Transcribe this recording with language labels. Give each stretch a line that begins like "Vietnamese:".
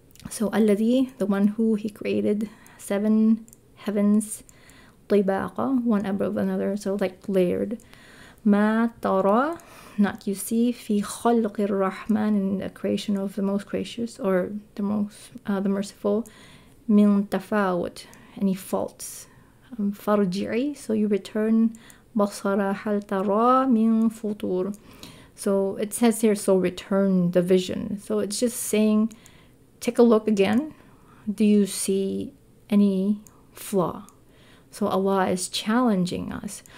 English: So الَّذِي, the one who, he created seven heavens, طِبَاقًا, one above another, so like layered.
Arabic: مَا تَرَى,
English: not you see,
Arabic: فِي خَلْقِ الرَّحْمَنِ,
English: in the creation of the most gracious, or the most, the merciful,
Arabic: مِنْ تَفَاوُتْ,
English: any faults.
Arabic: فَرْجِعِي,
English: so you return,
Arabic: بَصَرَ حَلْ تَرَى مِنْ فُطُورٍ.
English: So it says here, so return the vision. So it's just saying, take a look again. Do you see any flaw? So Allah is challenging us.